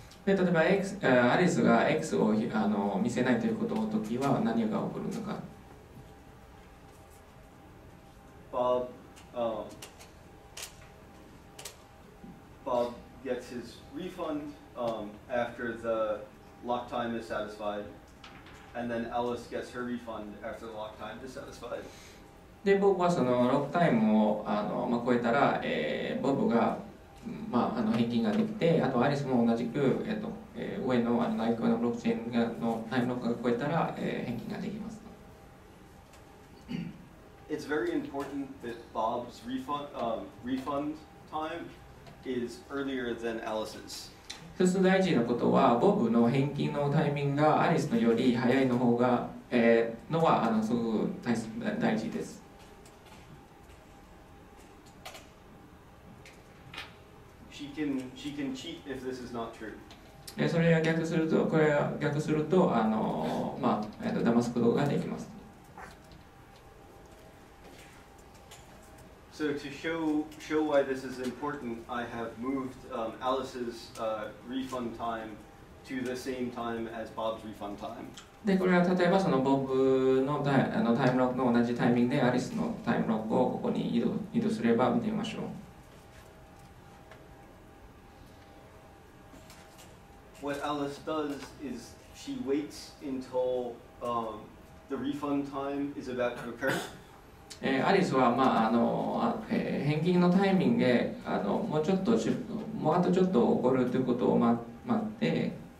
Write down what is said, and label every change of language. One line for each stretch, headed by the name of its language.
Japanese: で例えば X、アリスが X を見せないということの時は何が起こるのか。
English: Bob、Bob gets his refund after the lock time is satisfied, and then Alice gets her refund after the lock time is satisfied.
Japanese: で、ボブはそのロックタイムを超えたら、ボブが、まあ、返金ができて、あとアリスも同じく、上の内側のブロックチェーンがのタイムロックが超えたら、返金ができます。
English: It's very important that Bob's refund time is earlier than Alice's.
Japanese: そして大事なことは、ボブの返金のタイミングがアリスのより早いの方が、のはすごく 大事です。
English: She can cheat if this is not true.
Japanese: それが逆すると、これが逆すると、騙すことができます。
English: So to show why this is important, I have moved Alice's refund time to the same time as Bob's refund time.
Japanese: で、これは例えばそのボブのタイムロックの同じタイミングでアリスのタイムロックをここに移動すれば見てみましょう。
English: What Alice does is she waits until the refund time is about to occur.
Japanese: アリスは、まあ返金のタイミングでもうあとちょっと起こるということを待って、